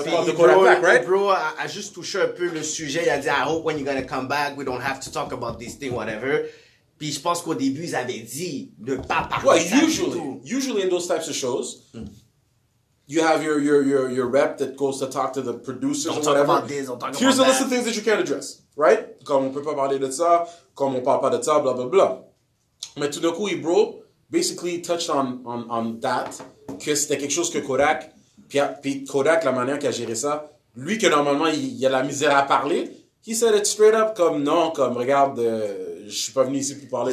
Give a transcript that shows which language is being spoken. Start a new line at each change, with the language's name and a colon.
French: Ebro a juste touché un peu le sujet, il a dit,
English: I hope when you're gonna come back, we don't have to talk about this thing, whatever.
French: Puis je pense qu'au début, ils avaient dit de ne pas parler de ça.
English: Usually in those types of shows, You have your rep that goes to talk to the producers or whatever. Here's a list of things that you can't address, right?
French: Comme on peut pas parler de ça, comme on parle pas de ça, blah blah blah. Mais tout d'un coup, Ibro
English: basically touched on that,
French: que c'était quelque chose que Kodak, puis Kodak, la manière qu'il a géré ça, lui que normalement il a la misère à parler,
English: he said it straight up
French: comme non, comme regarde, je suis pas venu ici pour parler